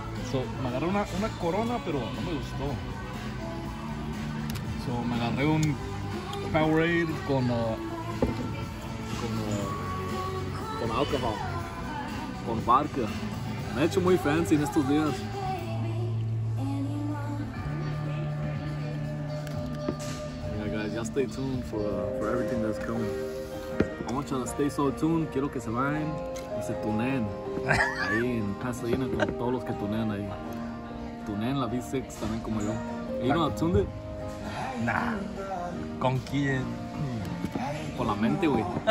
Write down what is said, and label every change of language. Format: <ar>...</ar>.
<es>So, me agarré una Corona, pero no me gustó. So, me agarré un Powerade con alcohol, con vodka. Me he hecho muy fancy en estos días.</es> <en>Yeah, guys, y'all stay tuned for everything that's coming. I want y'all to stay so tuned.</en> <es>Quiero que se vayan y se tuneen ahí en Pasadena con todos los que tuneen ahí. Tuneen la V6 también como yo. You know how to tune it? Nah. ¿Con quién? Con la mente, güey.</es>